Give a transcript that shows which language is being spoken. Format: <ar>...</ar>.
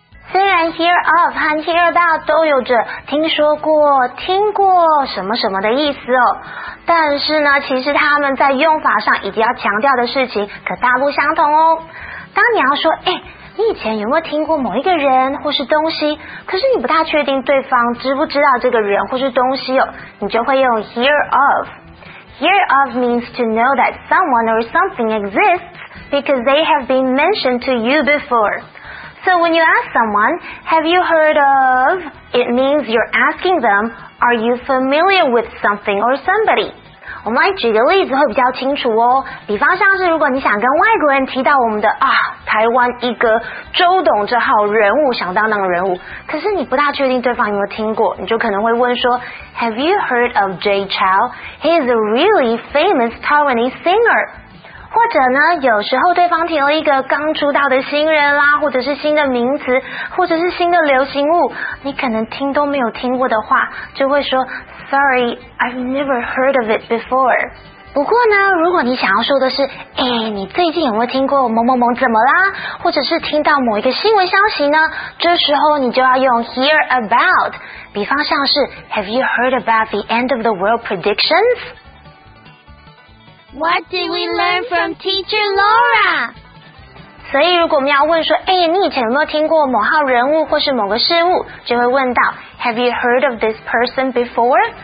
<zh>虽然 hear of 和 hear about 都有着听说过、听过什么什么的意思哦，但是呢，其实他们在用法上以及要强调的事情可大不相同哦。当你要说，哎，你以前有没有听过某一个人或是东西，可是你不太确定对方知不知道这个人或是东西哦，你就会用 hear of。</zh> <en>Hear of means to know that someone or something exists because they have been mentioned to you before. So when you ask someone, have you heard of, it means you're asking them, are you familiar with something or somebody?</en> <zh>我们来举个例子会比较清楚哦，比方像是如果你想跟外国人提到我们的啊台湾一哥周董这号人物响当当的人物，可是你不大确定对方有没有听过，你就可能会问说</zh> <en>Have you heard of Jay Chou? He is a really famous Taiwanese singer。</en> <zh>或者呢，有时候对方提了一个刚出道的新人啦，或者是新的名词，或者是新的流行物，你可能听都没有听过的话，就会说</zh> <en>Sorry, I've never heard of it before.</en> <zh>不过呢，如果你想要说的是，哎，你最近有没有听过某某某怎么啦？或者是听到某一个新闻消息呢？这时候你就要用 hear about. 比方像是</zh> <en>Have you heard about the end of the world predictions? What did we learn from Teacher Laura?</en> <zh>所以如果我们要问说，哎，你以前有没有听过某号人物或是某个事物，就会问到</zh> <en>Have you heard of this person before?</en>